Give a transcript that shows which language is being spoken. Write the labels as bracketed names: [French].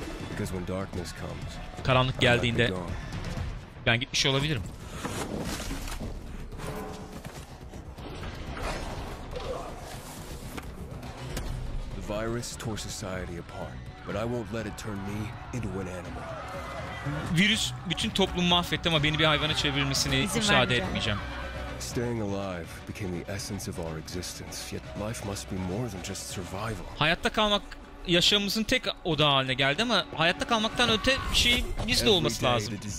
[English] Because when darkness comes. [Turkish] Karanlık geldiğinde ben gitmiş olabilirim. [English] The virus tore society apart, but I won't let it turn me into an animal. [Turkish] Virüs bütün toplumu mahvetti ama beni bir hayvana çevirmesine müsaade etmeyeceğim. [English] Staying alive became the essence of our existence. Yet life must be more than just survival. [Turkish] Hayatta kalmak yaşamımızın tek odağı haline geldi ama hayatta kalmaktan öte bir şey biz de olması lazım.